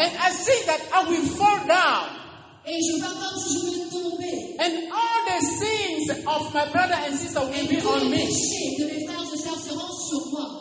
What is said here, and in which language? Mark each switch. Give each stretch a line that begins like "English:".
English: And I see that I will fall down.
French: Et je vois comme si je vais tomber.
English: And all the sins of my brother and sister will
French: et
English: be on me.
French: Et de mes frères et sœurs seront sur moi.